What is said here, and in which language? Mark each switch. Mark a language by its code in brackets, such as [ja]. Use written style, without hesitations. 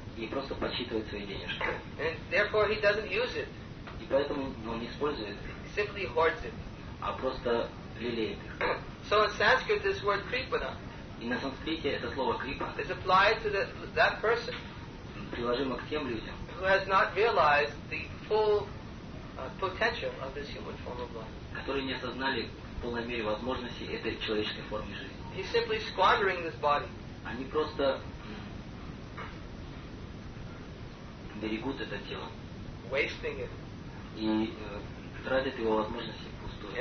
[ru] И просто подсчитывает свои денежки. [en] And therefore he doesn't use it. [ru] И поэтому он не использует их. [en] He simply hoards it. [ru] А просто лелеет их. [en] So in Sanskrit this word kripana. [ru] И на санскрите это слово крипа. [en] Is applied to that person. [ru] Приложимо к тем людям. [en] Who has not realized the full potential of this human form of life. [ru] Которые не осознали в полной мере возможности этой человеческой формы жизни. [en] He's simply squandering this body. [ru] Они просто берегут это тело. [en] Wasting it. [ru] И тратят его возможности впустую.